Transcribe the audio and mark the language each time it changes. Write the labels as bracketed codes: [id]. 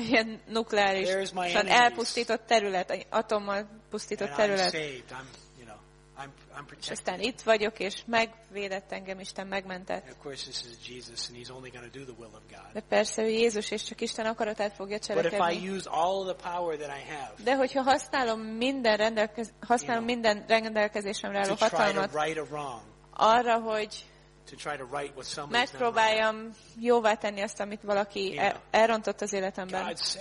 [hu] Ilyen nukleáris, szóval elpusztított terület, atommal pusztított terület. [en] I'm [hu] aztán itt vagyok, és megvédett engem Isten, megmentett. [en] Of course this is Jesus and he's only going to do the will of God. [hu] De persze ő Jézus, és csak Isten akaratát fogja cselekedni. [en] But if I use all the power that I have. [hu] De hogyha használom minden rendelkezésemre álló hatalmat. [en] Right or wrong. [hu] Arra, hogy [en] to try to write what someone's [hu] megpróbáljam jóvá tenni azt, amit valaki elrontott az életemben.